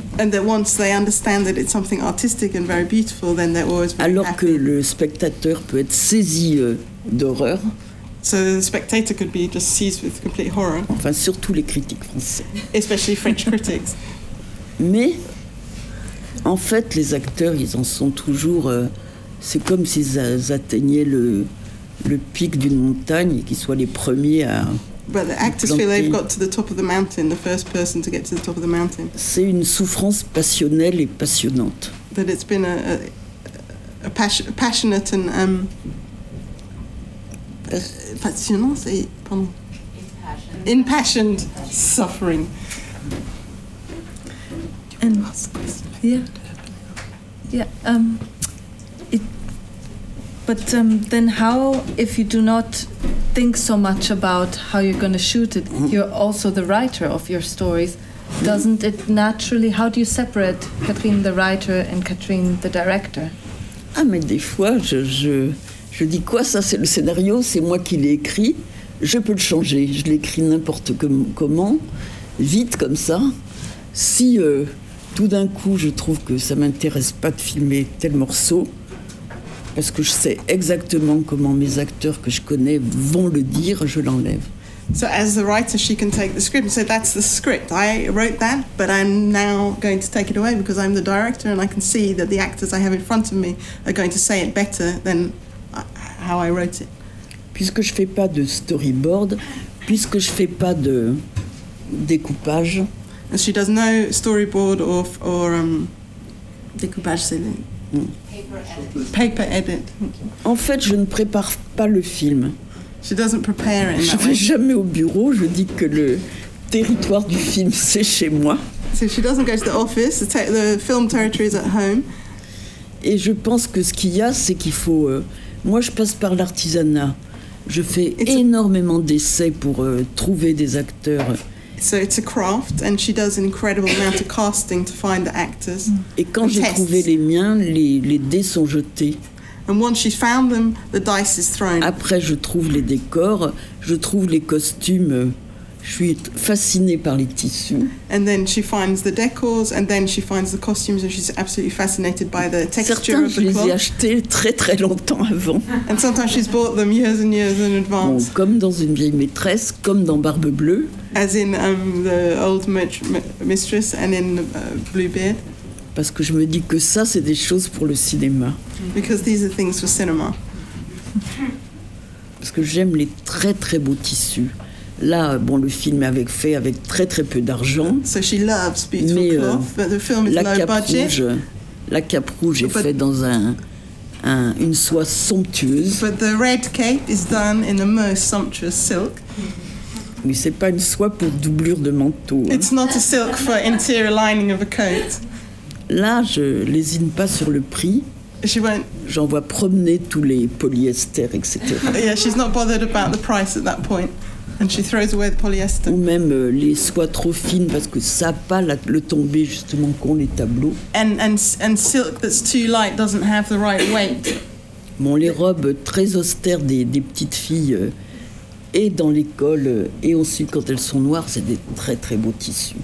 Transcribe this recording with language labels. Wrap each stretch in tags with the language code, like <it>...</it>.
<en>And that once they understand that it's something artistic and very beautiful, then they're always very</en> <fr>Alors</fr> <en>happy.</en> <fr>Que le spectateur peut être saisi d'horreur.</fr> <en>So the spectator could be just seized with complete horror.</en> <fr>Enfin, surtout les critiques français.</fr> <en>Especially French critics.</en> <fr>Mais, en fait, les acteurs, ils en sont toujours... c'est comme s'ils atteignaient le pic d'une montagne et qu'ils soient les premiers à...</fr> <en>But the actors feel they've got to the top of the mountain, the first person to get to the top of the mountain.</en> <fr>C'est une souffrance passionnelle et passionnante.</fr> <en>That it's been a passionate and</en> <fr>passionnant, c'est pardon.</fr> <en>Impassioned suffering. And then how if you do not think so much about how you're going to shoot it, you're also the writer of your stories. Doesn't it naturally, how do you separate Catherine the writer and Catherine the director?</en> <fr>Ah, mais des fois, je dis quoi, ça c'est le scénario, c'est moi qui l'ai écrit, je peux le changer, je l'écris n'importe comment, vite comme ça. Si tout d'un coup je trouve que ça m'intéresse pas de filmer tel morceau, parce que je sais exactement comment mes acteurs que je connais vont le dire, je l'enlève.</fr> <en>So as the writer, she can take the script and say, that's the script. I wrote that, but I'm now going to take it away because I'm the director and I can see that the actors I have in front of me are going to say it better than how I wrote it.</en> <fr>Puisque je fais pas de storyboard, puisque je fais pas de découpage.</fr> <en>And she does no storyboard or découpage,</en> <fr>c'est le...</fr> <en>Paper edit.</en> <fr>En fait, je ne prépare pas le film.</fr> <en>She doesn't prepare it.</en> <fr>Je vais jamais au bureau. Je dis que le territoire du film c'est chez moi.</fr> <en>So she doesn't go to the office. The film territory is at home.</en> <fr>Et je pense que ce qu'il y a, c'est qu'il faut. Moi, je passe par l'artisanat. Je fais énormément d'essais pour trouver des acteurs.</fr> <en>So it's a craft, and she does an incredible amount of casting to find the actors.</en> <fr>Et quand j'ai trouvé les miens, les dés sont jetés.</fr> <en>And once she found them, the dice is thrown.</en> <fr>Après, je trouve les décors, je trouve les costumes. Je suis fascinée par les tissus.</fr> <en>And then she finds the decors, and then she finds the costumes, and she's absolutely fascinated by the texture</en> <fr>Certains,</fr> <en>of the cloth.</en> <fr>Certains, je les ai achetés très très longtemps avant.</fr> <en>And sometimes she's bought them years and years in advance.</en> <fr>Bon, comme dans Une vieille maîtresse, comme dans Barbe Bleue.</fr> <en>As in the old mistress and in Bluebeard.</en> <fr>Parce que je me dis que ça, c'est des choses pour le cinéma.</fr> <en>Because these are things for cinema.</en> <fr>Parce que j'aime les très très beaux tissus. Là, bon, le film est fait avec très très peu d'argent.</fr> <en>So she loves beautiful cloth, but the film is low budget.</en> <fr>La cape rouge est faite dans une soie somptueuse.</fr> <en>But the red cape is done in the most sumptuous silk.</en> <fr>Mais c'est pas une soie pour doublure de manteau. Hein.</fr> <en>It's not a silk for interior lining of a coat.</en> <fr>Là, je lésine pas sur le prix.</fr> <en>She won't.</en> <fr>J'en vois promener tous les polyester, etc.</fr> <en>Yeah, she's not bothered about the price at that point. And she throws away the polyester.</en> <fr>Ou même les soies trop fines parce que ça n'a pas la, le tombé justement qu'ont les tableaux.</fr> <en>And silk that's too light doesn't have the right weight.</en> <fr>Bon, les robes très austères des petites filles et dans l'école et ensuite quand elles sont noires, c'est des très très beaux tissus.</fr>